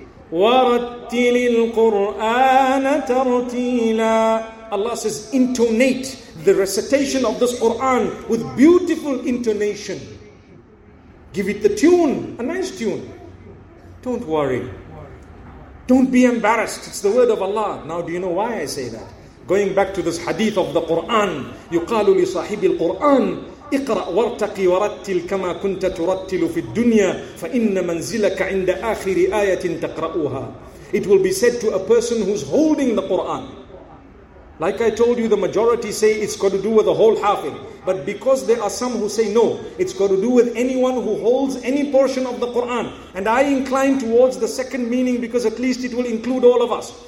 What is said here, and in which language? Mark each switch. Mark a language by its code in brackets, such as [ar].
[ar] وَرَتِّلِ الْقُرْآنَ تَرْتِيلًا. [en] Allah says, intonate the recitation of this Quran with beautiful intonation. Give it the tune, a nice tune. Don't worry. Don't be embarrassed. It's the word of Allah. Now, do you know why I say that? Going back to this hadith of the Quran, [ar] يُقَالُ لِصَاحِبِ الْقُرْآنِ اقرأ وارتقي ورتل كما كنت ترتل في الدنيا فإن منزلك عند آخر آية تقرأها. [en] It will be said to a person who's holding the Quran. Like I told you, the majority say it's got to do with the whole hafiz. But because there are some who say no, it's got to do with anyone who holds any portion of the Quran. And I incline towards the second meaning because at least it will include all of us.